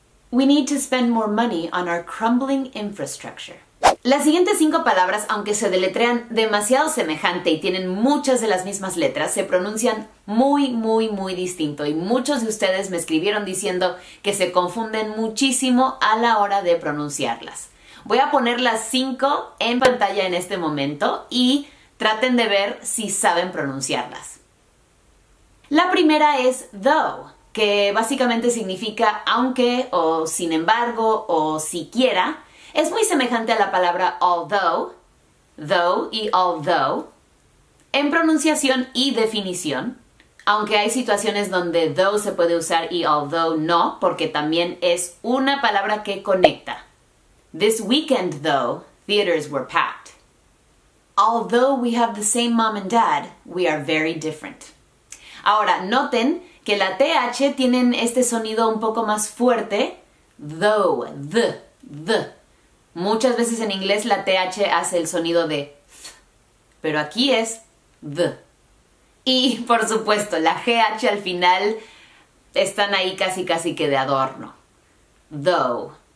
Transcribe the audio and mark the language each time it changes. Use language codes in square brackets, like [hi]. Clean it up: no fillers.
[en] We need to spend more money on our crumbling infrastructure. [es] Las siguientes 5 palabras, aunque se deletrean demasiado semejante y tienen muchas de las mismas letras, se pronuncian muy, muy, muy distinto. Y muchos de ustedes me escribieron diciendo que se confunden muchísimo a la hora de pronunciarlas. Voy a poner las 5 en pantalla en este momento y traten de ver si saben pronunciarlas. La primera es though, que básicamente significa aunque, o sin embargo, o siquiera. Es muy semejante a la palabra although, though y although. En pronunciación y definición, Aunque hay situaciones donde though se puede usar y although no, porque también es una palabra que conecta. [en] This weekend, though, theaters were packed. Although we have the same mom and dad, we are very different. [es] Ahora, noten que la TH tienen este sonido un poco más fuerte. Though, the, the. Muchas veces en inglés la TH hace el sonido de th, pero aquí es the. Y, por supuesto, la GH al final están ahí casi casi que de adorno. Though.